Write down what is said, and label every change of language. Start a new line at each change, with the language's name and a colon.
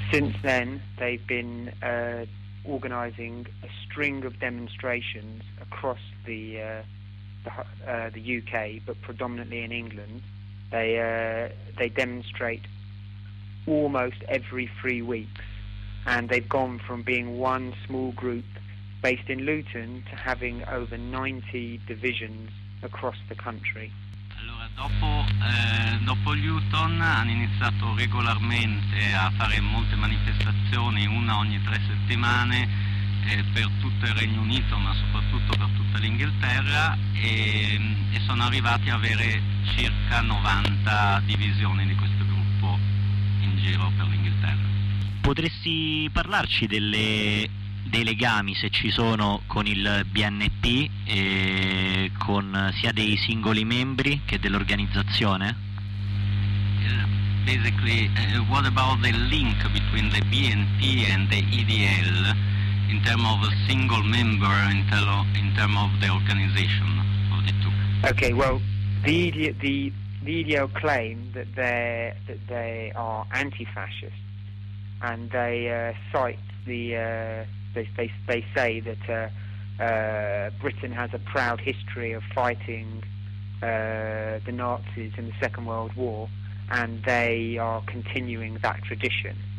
English: Since then they've been organizing a string of demonstrations across the UK, but predominantly in England. They demonstrate almost every 3 weeks, and they've gone from being one small group based in Luton to having over 90 divisions across the country.
Italian: Allora, dopo Luton hanno iniziato regolarmente a fare molte manifestazioni, una ogni 3 settimane, per tutto il Regno Unito, ma soprattutto per tutta l'Inghilterra, e sono arrivati ad avere circa 90 divisioni di questo gruppo in giro per l'Inghilterra. Potresti parlarci dei legami, se ci sono, con il BNP, e con sia dei singoli membri che dell'organizzazione?
English: Basically, what about the link between the BNP and the EDL in terms of a single member in terms of the organization of the two? Okay, well, the EDL claim that they are anti-fascist, and they cite the they say that Britain has a proud history of fighting the Nazis in the Second World War, and they are continuing that tradition.